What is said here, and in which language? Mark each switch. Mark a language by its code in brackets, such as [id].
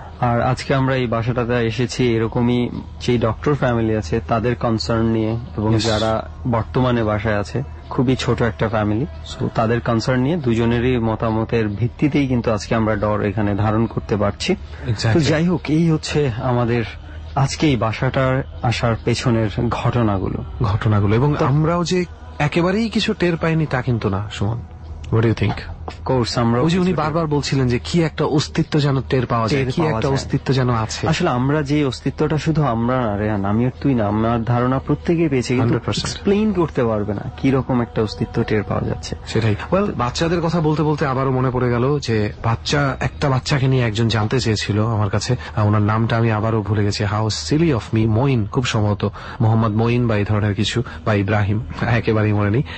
[bn] আর আজকে আমরা এই বাসাটাতে এসেছি এরকমই যেই ডক্টর ফ্যামিলি আছে তাদের কনসার্ন নিয়ে, এবং যারা বর্তমানে বাসায় আছে খুবই ছোট একটা ফ্যামিলি, সো তাদের কনসার্ন নিয়ে দুজনেরই মতামতের ভিত্তিতেই কিন্তু আজকে আমরা ডর এখানে ধারণ করতে পারছি। তো যাই হোক, এই হচ্ছে আমাদের আজকে এই বাসাটার আসার পেছনের ঘটনাগুলো ঘটনাগুলো এবং আমরাও যে একেবারেই কিছু টের পাইনি তা কিন্তু না। [en] Suman, what do you think? Of course, [bn] আমরা ওই যে উনি বারবার বলছিলেন যে কি একটা অস্তিত্ব যেন টের পাওয়া যায়, কি একটা অস্তিত্ব যেন আছে। আসলে আমরা যে অস্তিত্বটা শুধু আমরা না, রে আমি আর তুই না, আমার ধারণা প্রত্যেকেই পেয়েছে, কিন্তু এক্সপ্লেইন করতে পারবে না কি রকম একটা অস্তিত্ব টের পাওয়া যাচ্ছে সেটাই। ওয়েল, বাচ্চাদের কথা বলতে বলতে আবারও মনে পড়ে গেল যে বাচ্চা, একটা বাচ্চাকে নিয়ে একজন জানতে চেয়েছিল আমার কাছে, ওনার নামটা আমি আবারও ভুলে গেছি, [en] how silly of me, [bn] Moin খুব সম্ভবত, মোহাম্মদ মঈন বা এই ধরনের কিছু, বা ইব্রাহিম, একেবারেই মনে নেই।